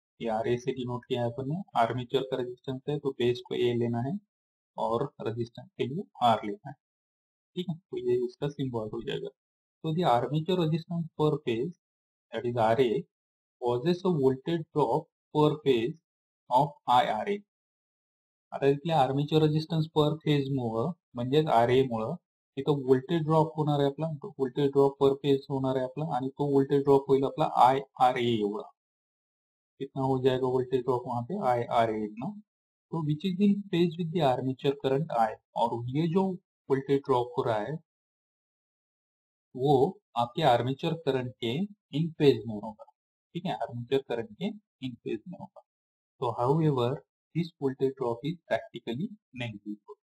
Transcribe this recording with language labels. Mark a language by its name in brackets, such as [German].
[Hindi] ये R A से denote किया है अपन ने. आर्मेचर का रेजिस्टेंस है तो बेस को ए लेना है और रेजिस्टेंस के लिए आर लेना है, ठीक है. तो ये इसका सिंबल हो जाएगा. तो ये आर्मेचर रेजिस्टेंस पर phase that is R A [English] causes a voltage drop per phase of IRA. [Marathi] आता इथले आर्मेचर रेजिस्टन्स पर फेज मुळ म्हणजेच आर ए मुळ इथं व्होल्टेज ड्रॉप होणार आहे आपला, व्होल्टेज ड्रॉप पर फेज होणार आहे आपला आणि तो व्होल्टेज ड्रॉप होईल आपला आय आर ए एवढा. [Hindi] इतना हो जाएगा व्होल्टेज ड्रॉप वहां पे आय आर ए इतना. तो [English] Which is in phase with the armature current I. [Hindi] और ये जो व्होल्टेज ड्रॉप हो रहा है वो आपके आर्मेचर करंट के इन फेज में होगा, ठीक है. आर्मेचर करंट के इन फेज में होगा. तो [English] However this voltage drop is practically negligible.